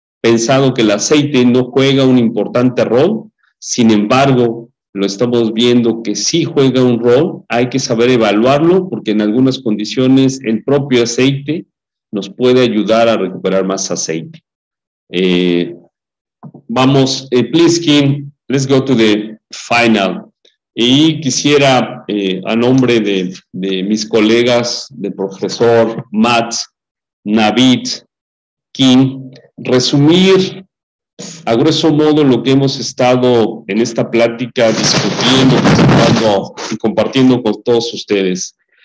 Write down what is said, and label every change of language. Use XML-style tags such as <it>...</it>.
<es>pensado que el aceite no juega un importante rol, sin embargo, lo estamos viendo que sí juega un rol, hay que saber evaluarlo porque en algunas condiciones el propio aceite nos puede ayudar a recuperar más aceite. Vamos,</es> <en>please, Kim, let's go to the final.</en> <es>Y quisiera, a nombre de mis colegas, de profesor Matt, Navid, Kim, resumir a grueso modo lo que hemos estado en esta plática discutiendo, presentando y compartiendo con todos ustedes.</es>